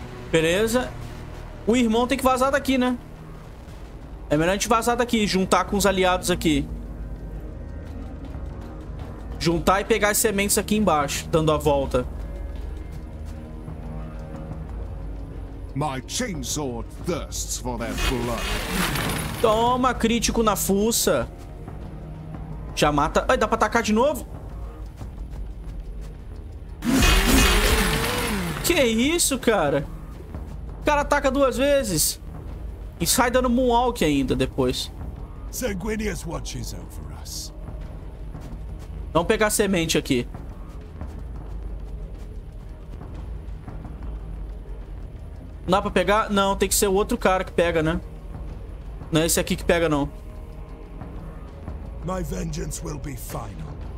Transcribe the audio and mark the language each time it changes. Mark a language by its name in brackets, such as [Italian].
[Portuguese] Beleza. O irmão tem que vazar daqui, né? É melhor a gente vazar daqui e juntar com os aliados aqui. Juntar e pegar as sementes aqui embaixo, dando a volta. [English] My chainsaw thirsts for their blood. [Portuguese] Toma, crítico na fuça. Já mata... Ai, dá pra atacar de novo? Que isso, cara? O cara ataca duas vezes. E sai dando moonwalk ainda depois. [English] Sanguinius watches over us. [Portuguese] Vamos pegar a semente aqui. Não dá pra pegar? Não, tem que ser o outro cara que pega, né? Não é esse aqui que pega, não. [English] My vengeance will be final.